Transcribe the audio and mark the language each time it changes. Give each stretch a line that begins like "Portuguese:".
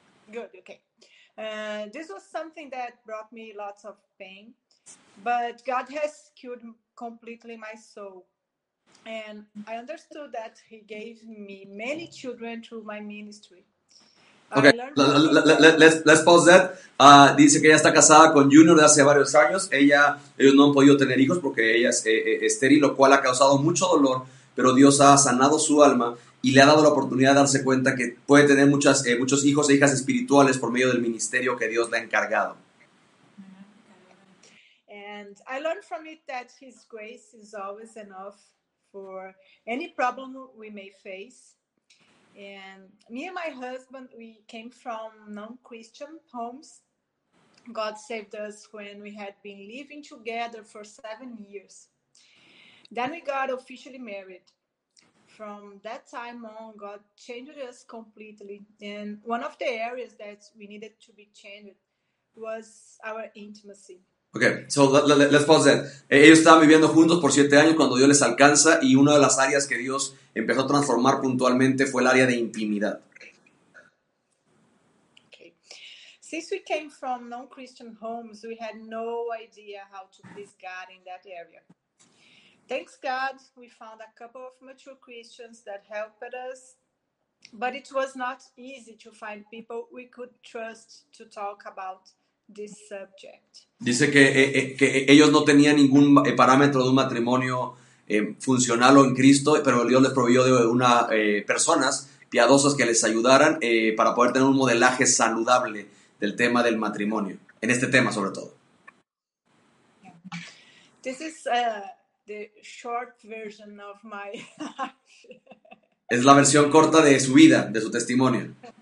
English: Good, okay. This was something that brought me lots of pain, but God has cured completely my soul. And I understood that he gave me many children through my ministry. Okay, let's pause that.
Spanish: Dice que ella está casada con Junior de hace varios años. Ellos no han podido tener hijos porque ella es estéril, lo cual ha causado mucho dolor, pero Dios ha sanado su alma y le ha dado la oportunidad de darse cuenta que puede tener muchos hijos e hijas espirituales por medio del ministerio que Dios le ha encargado.
English: And I learned from it that his grace is always enough for any problem we may face. And me and my husband, we came from non-Christian homes. God saved us when we had been living together for 7 years. Then we got officially married. From that time on, God changed us completely. And one of the areas that we needed to be changed was our intimacy. Okay, so let's pause there.
Spanish: Ellos estaban viviendo juntos por 7 años cuando Dios les alcanza, y una de las áreas que Dios empezó a transformar puntualmente fue el área de intimidad.
English: Okay. Since we came from non-Christian homes, we had no idea how to please God in that area. Thanks God, we found a couple of mature Christians that helped us, but it was not easy to find people we could trust to talk about this subject.
Spanish: Dice que ellos no tenían ningún parámetro de un matrimonio funcional o en Cristo, pero Dios les proveyó de una personas piadosas que les ayudaran para poder tener un modelaje saludable del tema del matrimonio, en este tema sobre todo.
English: This is the short version of my life.
Spanish: Es la versión corta de su vida, de su testimonio.